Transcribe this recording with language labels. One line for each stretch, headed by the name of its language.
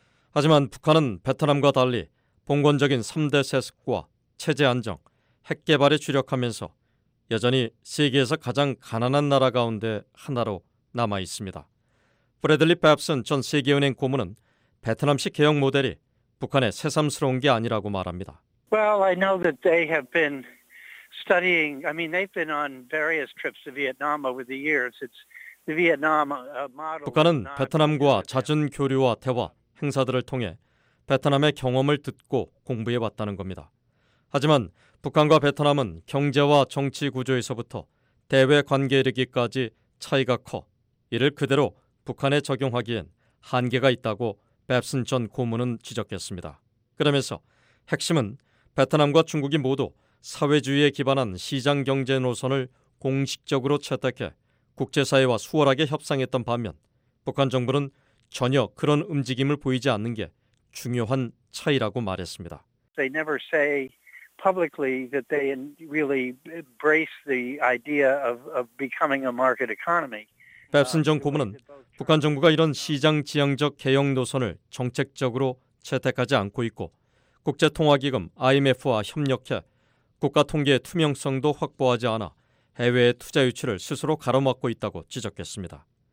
Korean: 하지만 북한은 베트남과 달리 봉건적인 3대 세습과 체제 안정, 핵 개발에 주력하면서 여전히 세계에서 가장 가난한 나라 가운데 하나로 남아 있습니다. 브래들리 밥슨 전 세계은행 고문은 베트남식 개혁 모델이 북한의 새삼스러운 게 아니라고 말합니다.
English: Well, I know that they have been studying. I mean, they've been on various trips to Vietnam over the years. It's the Vietnam model.
Korean: 북한은 베트남과 잦은 교류와 대화, 행사들을 통해 베트남의 경험을 듣고 공부해 왔다는 겁니다. 하지만 북한과 베트남은 경제와 정치 구조에서부터 대외 관계에 이르기까지 차이가 커 이를 그대로 북한에 적용하기엔 한계가 있다고 밥슨 전 고문은 지적했습니다. 그러면서 핵심은 베트남과 중국이 모두 사회주의에 기반한 시장경제 노선을 공식적으로 채택해 국제사회와 수월하게 협상했던 반면 북한 정부는 전혀 그런 움직임을 보이지 않는 게 중요한 차이라고 말했습니다.
English: They never say publicly that they really embrace the idea of becoming a market economy.
Korean: 밥슨 전 고문은 북한 정부가 이런 시장지향적 개혁 노선을 정책적으로 채택하지 않고 있고 국제통화기금 IMF와 협력해 국가통계의 투명성도 확보하지 않아 해외의 투자 유치를 스스로 가로막고 있다고 지적했습니다.